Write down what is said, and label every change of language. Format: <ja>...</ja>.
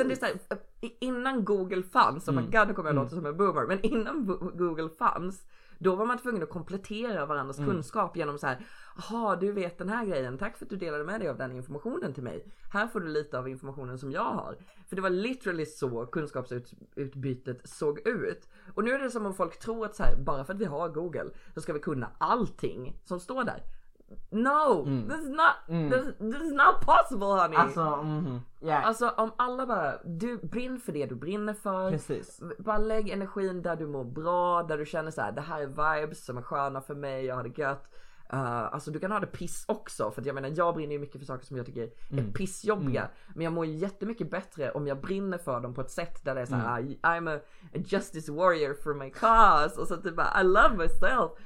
<sv>Utan det är så här, innan Google fanns,</sv> <en>oh my god,</en> <sv>nu kommer jag att låta som en boomer, men innan Google fanns, då var man tvungen att komplettera varandras kunskap genom så här, aha, du vet den här grejen, tack för att du delade med dig av den informationen till mig, här får du lite av informationen som jag har. För det var literally så kunskapsutbytet såg ut. Och nu är det som om folk tror att så här, bara för att vi har Google så ska vi kunna allting som står där.</sv> <en>No, this is not possible, honey.</en> <sv>Alltså, yeah. Alltså, om alla bara, du brinner för det du brinner för. Precis. Bara lägg energin där du mår bra, där du känner så här, det här är vibes som är sköna för mig, jag har det gött. Alltså du kan ha det piss också, för att jag menar, jag brinner ju mycket för saker som jag tycker är pissjobbiga, men jag mår jättemycket bättre om jag brinner för dem på ett sätt där det är så här,</sv> <en>I'm a justice warrior for my cause,</en> <sv>och så typ bara,</sv> <en>I love myself.</en>